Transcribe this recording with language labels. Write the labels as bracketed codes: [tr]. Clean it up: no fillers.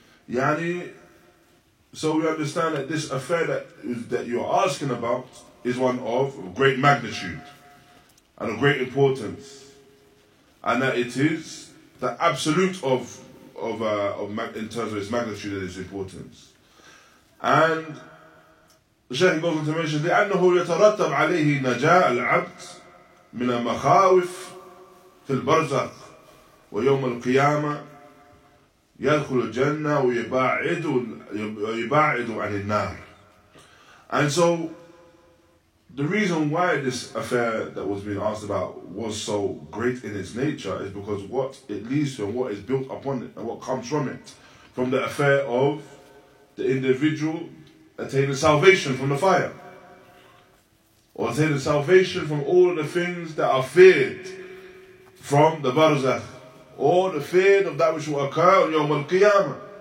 [en] يعني, so we understand that this affair that you're asking about is one of great magnitude and of great importance, and that it is the absolute of in terms of its magnitude and its importance. And the Shaykh goes on to mention the [ar] أنه يترتب عليه نجاء العبد من المخاوف في البرزخ ويوم القيامة يدخل الجنة ويبعد عن النار. [en] And so the reason why this affair that was being asked about was so great in its nature is because what it leads to and what is built upon it and what comes from it, from the affair of the individual attaining salvation from the fire, or attaining salvation from all of the things that are feared from the barzakh, or the fear of that which will occur on Yawm al-Qiyamah.